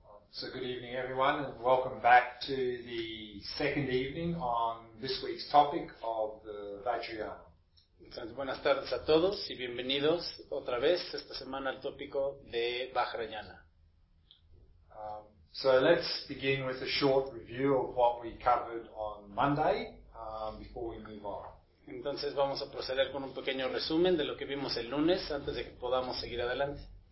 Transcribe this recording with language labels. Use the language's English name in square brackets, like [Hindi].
[English] So good evening, everyone, and welcome back to the second evening on this week's topic of the Vajrayana. [Spanish] Entonces, buenas tardes a todos y bienvenidos otra vez esta semana al tópico de Vajrayana. [English] So let's begin with a short review of what we covered on Monday before we move on. [Spanish] Entonces vamos a proceder con un pequeño resumen de lo que vimos el lunes antes de que podamos seguir adelante.